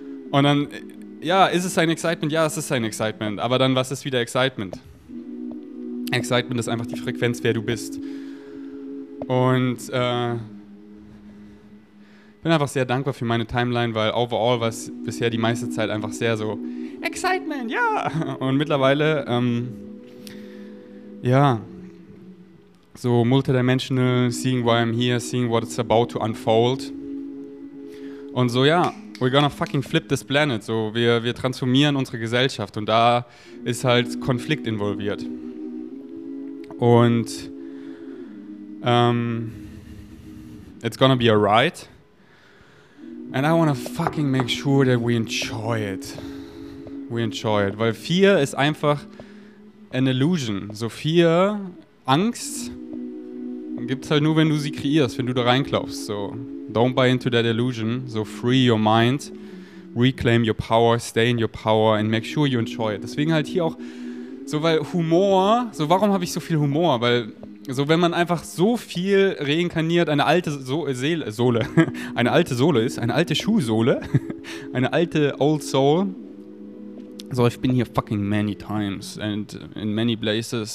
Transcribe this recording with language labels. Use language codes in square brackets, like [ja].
[de] Und dann, ja, ist es sein Excitement? Ja, es ist sein Excitement. Aber dann, was ist wieder Excitement? Excitement ist einfach die Frequenz, wer du bist. Und ich bin einfach sehr dankbar für meine Timeline, weil overall war es bisher die meiste Zeit einfach sehr so, Excitement, ja! [en] Yeah! [de] Und mittlerweile, ja, [en] so multidimensional, seeing why I'm here, seeing what it's about to unfold. [de] Und so, ja, [en] we're gonna fucking flip this planet. [de] So, wir transformieren unsere Gesellschaft und da ist halt Konflikt involviert. [en] Und it's gonna be a ride. And I wanna fucking make sure that we enjoy it. We enjoy it. [de] Weil Fear ist einfach [en] an illusion. [de] So Fear, Angst, gibt's halt nur, wenn du sie kreierst, wenn du da reinklaufst. [en] So don't buy into that illusion. So free your mind, reclaim your power, stay in your power and make sure you enjoy it. [de] Deswegen halt hier auch, so weil Humor, so warum habe ich so viel Humor? Weil so, wenn man einfach so viel reinkarniert, eine alte Sohle, eine alte Sohle ist, eine alte Schuhsohle, eine alte [en] Old Soul. So, [de] ich bin hier [en] fucking many times and in many places.